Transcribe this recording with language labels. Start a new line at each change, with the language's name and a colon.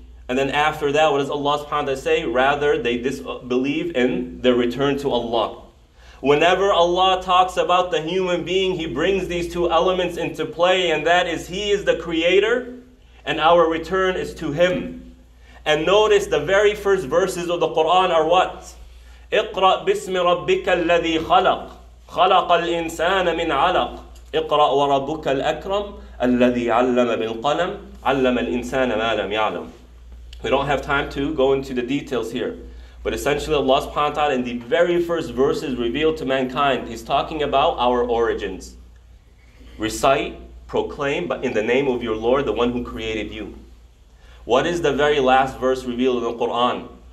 English: And then after that, what does Allah subhanahu wa ta'ala say? Rather, they disbelieve in their return to Allah. Whenever Allah talks about the human being, He brings these two elements into play, and that is He is the Creator and our return is to Him. And notice the very first verses of the Quran are what?
Arabic: اقرأ بسم ربك الذي خلق خلق الإنسان من علق اقرأ وربك الأكرم الذي علم بالقلم علم الإنسان ما لم يعلم.
English: We don't have time to go into the details here. But essentially Allah subhanahu wa ta'ala in the very first verses revealed to mankind, He's talking about our origins. Recite, proclaim, but in the name of your Lord, the one who created you. What is the very last verse revealed in the Quran?